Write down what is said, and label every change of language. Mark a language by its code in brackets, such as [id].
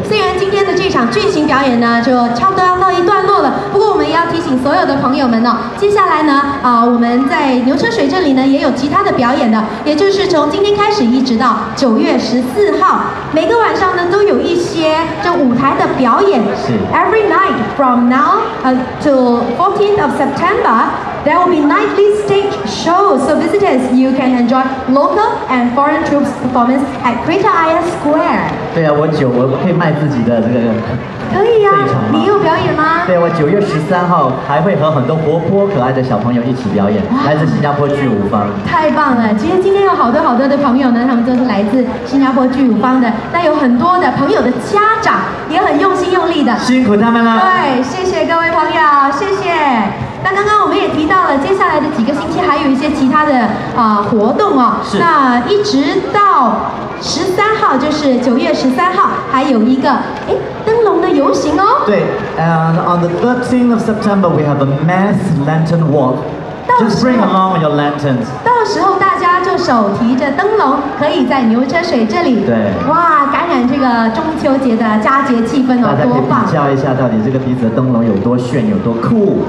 [zh] 虽然今天的这场剧情表演呢，就差不多要到一段落了，不过我们也要提醒所有的朋友们接下来呢，我们在牛车水这里呢，也有其他的表演的，也就是从今天开始一直到9月14号，每个晚上呢都有一些这舞台的表演。是。 [en] Every night from now to 14th of September. There will be nightly stage shows, so visitors, you can enjoy local and foreign troops performance at Greater Ayer Square. [zh] 对啊，我九，我可以卖自己的这个。可以啊，你有表演吗？对，我9月13号还会和很多活泼可爱的小朋友一起表演，来自新加坡剧舞坊。太棒了！其实今天有好多好多的朋友呢，他们都是来自新加坡剧舞坊的，那有很多的朋友的家长也很用心用力的，辛苦他们了。对，谢谢各位朋友，谢谢。那刚刚我们也提到了，接下来的几个星期还有一些其他的活动哦。是。那一直到13号，就是9月13号，还有一个灯笼的游行哦。 [en] 对 ，and on the 13th of September we have a mass lantern walk. Just bring along your lanterns. [zh] 到时候大家就手提着灯笼，可以在牛车水这里。对。哇，感染这个中秋节的佳节气氛哦，多棒！大家可以比较一下，到底这个彼此的灯笼有多炫，有多酷。